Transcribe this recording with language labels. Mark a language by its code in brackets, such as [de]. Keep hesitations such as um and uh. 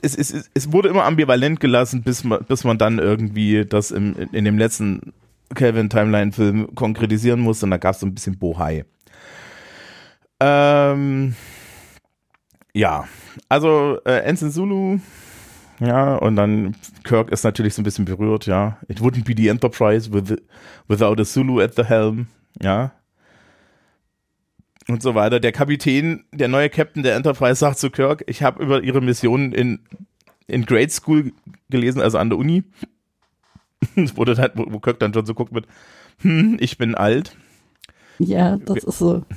[de] es, es, es, es, wurde immer ambivalent gelassen, bis man, bis man dann irgendwie das im, in dem letzten Calvin Timeline-Film konkretisieren musste. Und da gab es so ein bisschen Bohai. Ähm, ja, also äh, uh, Ensign Zulu, ja, und dann Kirk ist natürlich so ein bisschen berührt, ja. [en] It wouldn't be the Enterprise with the, without a Zulu at the helm, ja. [de] Und so weiter. Der Kapitän, der neue Captain der Enterprise sagt zu Kirk, ich habe über ihre Missionen in, in Grade School gelesen, also an der Uni. Das dann, wo Kirk dann schon so guckt mit, hm, ich bin alt. Ja, das wir, ist so.